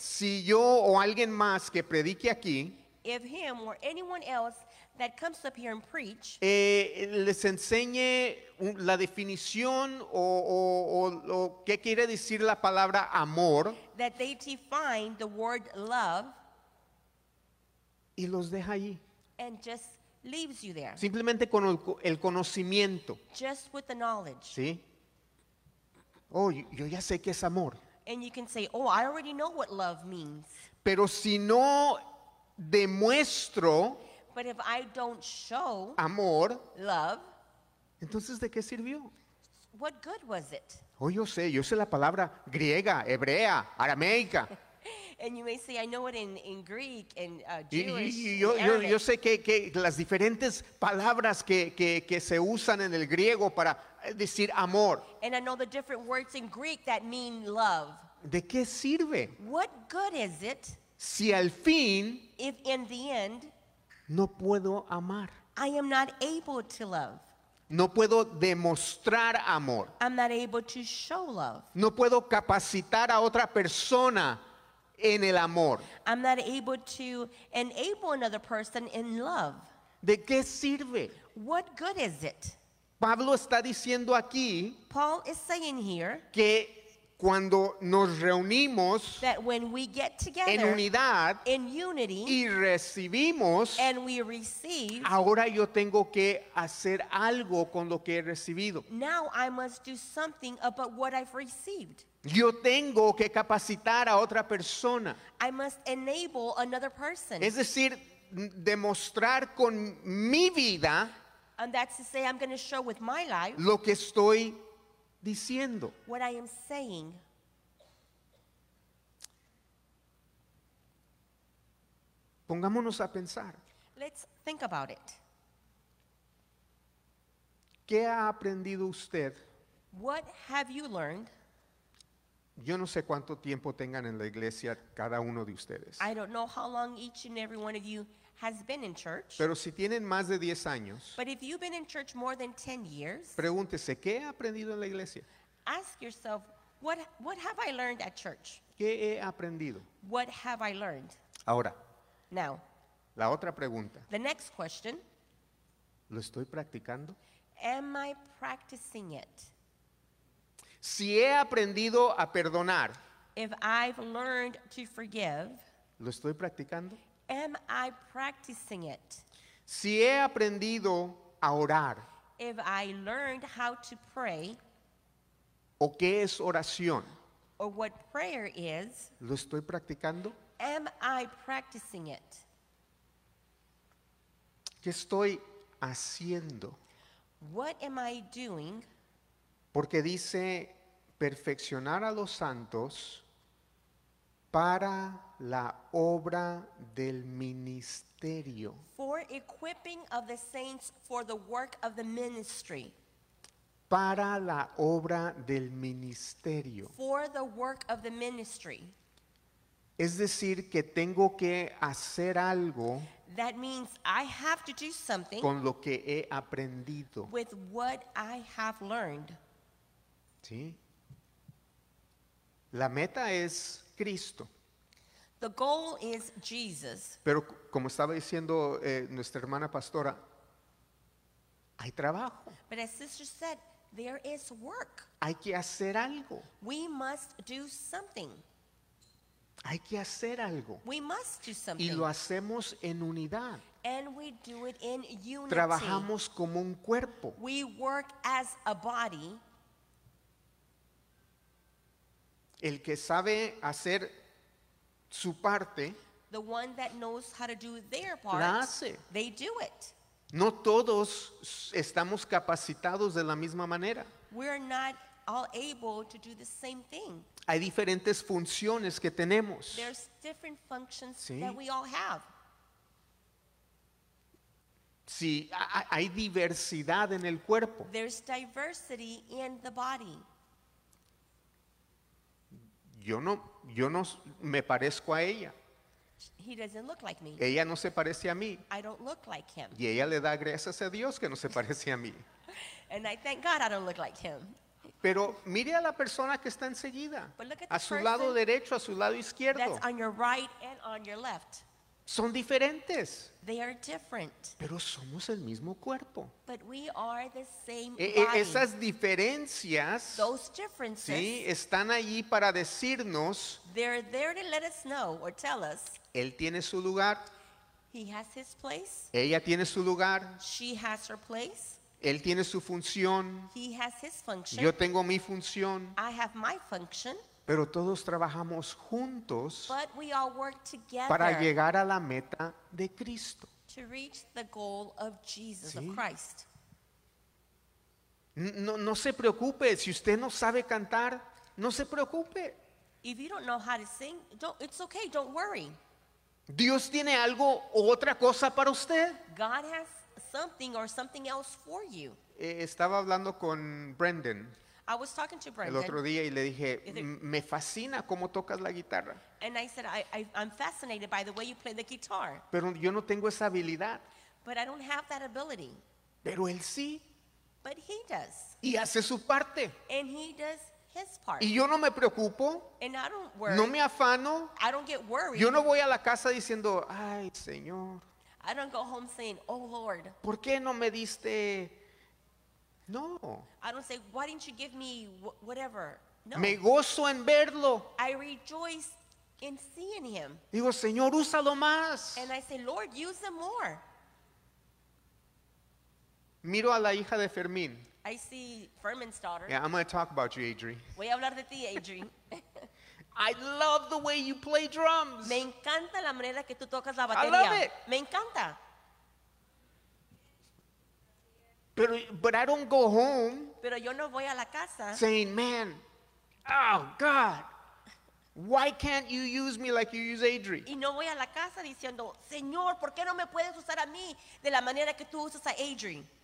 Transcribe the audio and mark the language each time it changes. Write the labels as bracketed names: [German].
[Spanish] Si yo o alguien más que predique aquí. [English] If him or anyone else that comes up here and preach. [Spanish] Les enseñe la definición o qué quiere decir la palabra amor. [English] That they define the word love. [Spanish] Y los deja allí. [English] And just leaves you there. [Spanish] Simplemente con el conocimiento. [English] Just with the knowledge. [Spanish] Sí. Oh, yo ya sé qué es amor. [English] And you can say, oh, I already know what love means. [Spanish] Pero si no demuestro. [English] But if I don't show. [Spanish] Amor. [English] Love. [Spanish] Entonces, ¿de qué sirvió? [English] What good was it? [Spanish] Oh, yo sé la palabra griega, hebrea, arameica. [English] And you may say, I know it in Greek and Jewish. [Spanish] Yo sé que las diferentes palabras que se usan en el griego para decir amor. [English] And I know the different words in Greek that mean love. [Spanish] ¿De qué sirve? [English] What good is it? [Spanish] Si al fin. [English] If in the end. [Spanish] No puedo amar. [English] I am not able to love. [Spanish] No puedo demostrar amor. [English] I'm not able to show love. [Spanish] No puedo capacitar a otra persona en el amor. [English] I'm not able to enable another person in love. [Spanish] ¿De qué sirve? [English] What good is it? [Spanish] Pablo está diciendo aquí. [English] Paul is saying here. [Spanish] Que cuando nos reunimos. [English] That when we get together. [Spanish] En unidad. [English] In unity. [Spanish] Y recibimos. [English] And we receive. [Spanish] Ahora yo tengo que hacer algo con lo que he recibido. [English] Now I must do something about what I've received. [Spanish] Yo tengo que capacitar a otra persona. [English] I must enable another person. [Spanish] Es decir, demostrar con mi vida. [English] And that's to say I'm going to show with my life. [Spanish] Lo que estoy diciendo. [English] What I am saying. [Spanish] Pongámonos a pensar. [English] Let's think about it. [Spanish] ¿Qué ha aprendido usted? [English] What have you learned? [Spanish] Yo no sé cuánto tiempo tengan en la iglesia cada uno de ustedes. [English] I don't know how long each and every one of you has been in church. [Spanish] Pero si tienen más de 10 años. [English] But if you've been in church more than 10 years. [Spanish] Pregúntese, ¿qué he aprendido en la iglesia? [English] Ask yourself, what have I learned at church? [Spanish] ¿Qué he aprendido? [English] What have I learned? [Spanish] Ahora. [English] Now. [Spanish] La otra pregunta. [English] The next question. [Spanish] ¿Lo estoy practicando? [English] Am I practicing it? [Spanish] Si he aprendido a perdonar. [English] If I've learned to forgive. [Spanish] ¿Lo estoy practicando? [English] Am I practicing it? [Spanish] Si he aprendido a orar. [English] If I learned how to pray. [Spanish] ¿O qué es oración? [English] Or what prayer is. [Spanish] ¿Lo estoy practicando? [English] Am I practicing it? [Spanish] ¿Qué estoy haciendo? [English] What am I doing? [Spanish] Porque dice perfeccionar a los santos para la obra del ministerio. [English] For equipping of the saints for the work of the ministry. [Spanish] Para la obra del ministerio. [English] For the work of the ministry. [Spanish] Es decir, que tengo que hacer algo. [English] That means I have to do something. [Spanish] Con lo que he aprendido. [English] With what I have learned. [Spanish] Sí. La meta es Cristo. [English] The goal is Jesus. [Spanish] Pero como estaba diciendo nuestra hermana pastora, hay trabajo. [English] But as sister said, there is work. [Spanish] Hay que hacer algo. [English] We must do something. [Spanish] Hay que hacer algo. [English] We must do something. [Spanish] Y lo hacemos en unidad. [English] And we do it in unity. [Spanish] Trabajamos como un cuerpo. [English] We work as a body. [Spanish] El que sabe hacer su parte, [English] the one that knows how to do their part, [Spanish] la hace. [English] They do it. [Spanish] No todos estamos capacitados de la misma manera. [English] We're not all able to do the same thing. [Spanish] Hay diferentes funciones que tenemos. [English] There's different functions, sí, that we all have. [Spanish] Sí, hay diversidad en el cuerpo. [English] There's diversity in the body. [Spanish] Yo no me parezco a ella. [English] He doesn't look like me. [Spanish] Ella no se parece a mí. [English] I don't look like him. [Spanish] Y ella le da gracias a Dios que no se parece a mí. [English] And I thank God I don't look like him. [Spanish] Pero mire a la persona que está enseguida, a su lado derecho, a su lado izquierdo. [English] That's on your right and on your left. [Spanish] Son diferentes. [English] They are different. [Spanish] Pero somos el mismo cuerpo. [English] But we are the same [Spanish] body. Esas diferencias, [English] those differences, [Spanish] sí, están allí para decirnos, [English] they're there to let us know or tell us, [Spanish] él tiene su lugar, [English] he has his place, [Spanish] ella tiene su lugar, [English] she has her place, [Spanish] él tiene su función, [English] he has his function, [Spanish] yo tengo mi función, [English] I have my function. [Spanish] Pero todos trabajamos juntos, [English] but we all work together, [Spanish] para llegar a la meta de Cristo, [English] to reach the goal of Jesus, [Spanish] sí, [English] of Christ. [Spanish] No se preocupe si usted no sabe cantar, no se preocupe. [English] If you don't know how to sing, it's okay, don't worry. [Spanish] Dios tiene algo o otra cosa para usted. [English] God has something or something else for you. [Spanish] Estaba hablando con Brendan. [English] I was talking to Brendan [Spanish] el otro día y le dije, me fascina cómo tocas la guitarra. [English] And I said, I'm fascinated by the way you play the guitar. [Spanish] Pero yo no tengo esa habilidad. [English] But I don't have that ability. [Spanish] Pero él sí. [English] But he does. [Spanish] Y hace su parte. [English] And he does his part. [Spanish] Y yo no me preocupo. [English] And I don't worry. [Spanish] No me afano. [English] I don't get worried. [Spanish] Yo no voy a la casa diciendo, ay, Señor. [English] I don't go home saying, oh, Lord. [Spanish] ¿Por qué no me diste...? No. [English] I don't say, why didn't you give me whatever? [Spanish] No. Me gozo en verlo. [English] I rejoice in seeing him. [Spanish] Digo, Señor, úsalo más. [English] And I say, Lord, use him more. [Spanish] Miro a la hija de Fermín. [English] I see Fermín's daughter. Yeah, I'm going to talk about you, Adri. [Spanish] Voy a hablar de ti, Adri. [English] I love the way you play drums. [Spanish] Me encanta la manera que tú tocas la batería. [English] I love it. [Spanish] Me encanta. [English] But I don't go home. [Spanish] Pero yo no voy a la casa. [English] Saying, man, oh God, why can't you use me like you use Adri? [Spanish] Y no voy a la casa diciendo, Señor, ¿por qué no me puedes usar a mí de la manera que tú usas a Adri?